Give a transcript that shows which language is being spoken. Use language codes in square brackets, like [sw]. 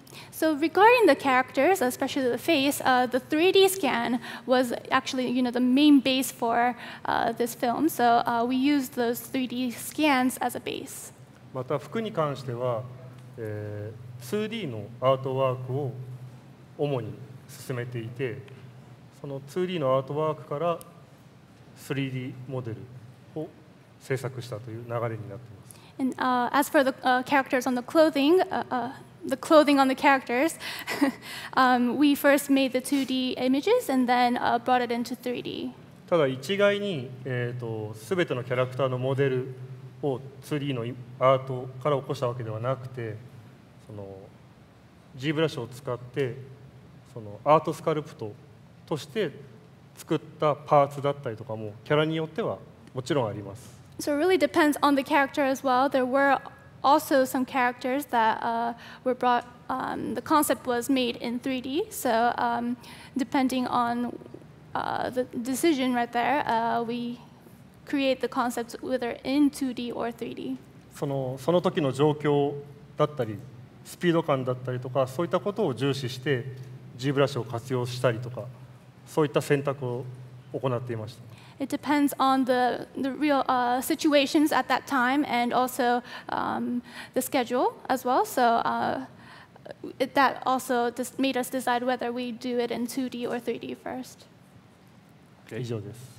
[en] So regarding the characters, especially the face, the 3D scan was actually, you know, the main base for this film. So we used those 3D scans as a base. [ja] また服に関しては、2D のアートワークを主に進めていて、その 2D のアートワークから 3D モデルを制作したという流れになっています。 [en] And as for the characters on the clothing, the clothing on the characters, we first made the 2D images and then brought it into 3D. [ja] ただ一概に、すべてのキャラクターのモデルを 2D のアートから起こしたわけではなくて、その ZBrush を使ってそのアートスカルプトとして作ったパーツだったりとかもキャラによってはもちろんあります。 [en] So it really depends on the character as well. There were also some characters that were brought, the concept was made in 3D. So depending on the decision right there, we create the concepts whether in 2D or 3D. [ja] その時の状況だったり、スピード感だったりとか、そういったことを重視して ZBrush を活用したりとか、そういった選択を行っていました。 [en] It depends on the real situations at that time and also the schedule as well. So that also just made us decide whether we do it in 2D or 3D first. [ja] Okay, 以上です。